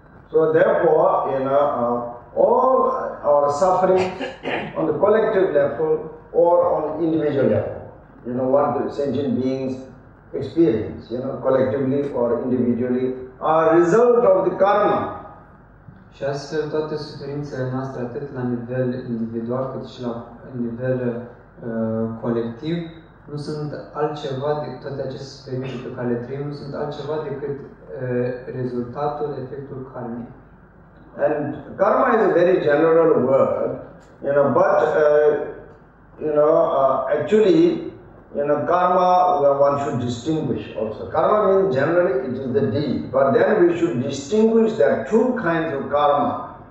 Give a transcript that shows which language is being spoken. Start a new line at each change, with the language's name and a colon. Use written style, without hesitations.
English: So therefore, you know, all our suffering on the collective level or on individual level. You know, what the sentient beings experience, you know, collectively or individually, are a result of the karma.
Romanian: Și astfel toate suferințele noastre, atât la nivel individual, cât și la nivel colectiv, nu sunt altceva decât toate aceste suferințe pe care le trăim, nu sunt altceva decât rezultatul, efectul karmei.
English: And karma is a very general word, you know, but, you know, actually, you know, karma, one should distinguish also. Karma means generally it is the deed, but then we should distinguish there are two kinds of karma.